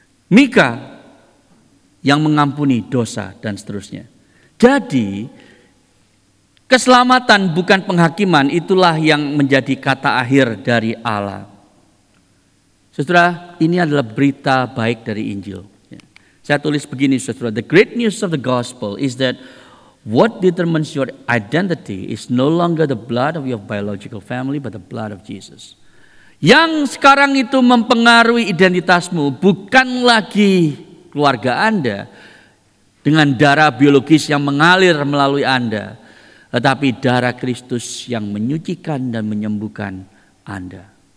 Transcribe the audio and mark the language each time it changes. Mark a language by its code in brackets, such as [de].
[id] Mika yang mengampuni dosa dan seterusnya. Jadi keselamatan bukan penghakiman itulah yang menjadi kata akhir dari Allah. Saudara, ini adalah berita baik dari Injil. Saya tulis begini, saudara. [en] The great news of the gospel is that what determines your identity is no longer the blood of your biological family, but the blood of Jesus. [id] Yang sekarang itu mempengaruhi identitasmu bukan lagi keluarga Anda dengan darah biologis yang mengalir melalui Anda, tetapi darah Kristus yang menyucikan dan menyembuhkan Anda.